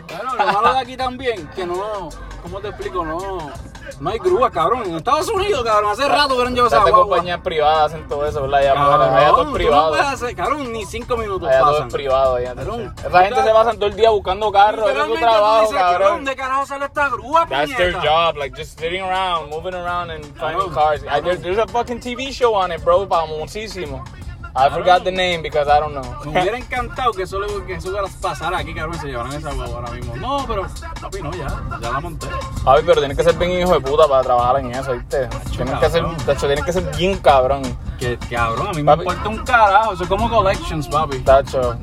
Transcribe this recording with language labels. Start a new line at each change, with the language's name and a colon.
Spanish: Cabrón, lo malo de aquí también, que no, ¿cómo te explico? No, no hay grúa, cabrón. En Estados Unidos, cabrón, hace rato que no llevo esa guagua. Compañías privadas hacen todo eso, ¿verdad? Allá, cabrón, allá todo es privado. Tú no puedes hacer, cabrón, ni 5 minutos allá pasan. Allá todo es privado, allá. Cabrón, esa gente se pasa todo el día buscando carros, haciendo su trabajo, dices, cabrón. ¿Dónde carajo sale esta grúa, piñeta?
English: That's their job, like, just sitting around, moving around and finding cars. There's a fucking TV show on it, bro,
Spanish: famosísimo.
English: I forgot the name because I don't know.
Spanish: Me hubiera encantado que solo que eso pasara aquí, cabrón, se llevaran esa huevo ahora mismo. No, pero papi, no, ya la monté. Papi, pero tienes que ser bien hijo de puta para trabajar en eso, ¿viste? Tienes que ser bien cabrón. Que cabrón, a mí papi, me importa un carajo. Eso es como Collections, papi. Tacho.